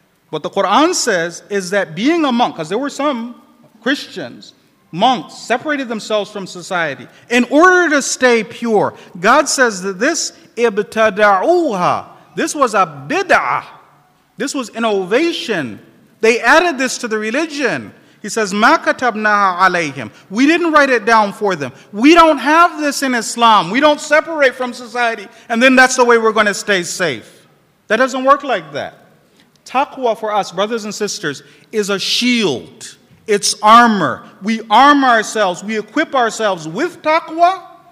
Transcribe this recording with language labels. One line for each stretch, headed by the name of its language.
English: What the Quran says is that being a monk, because there were some Christians, monks, separated themselves from society in order to stay pure. God says that this ibtada'uha, this was a bid'ah, this was innovation. They added this to the religion. He says,
Arabic: مَا كَتَبْنَاهَا عَلَيْهِمْ.
English: We didn't write it down for them. We don't have this in Islam. We don't separate from society, and then that's the way we're going to stay safe. That doesn't work like that. Taqwa for us, brothers and sisters, is a shield. It's armor. We arm ourselves. We equip ourselves with taqwa.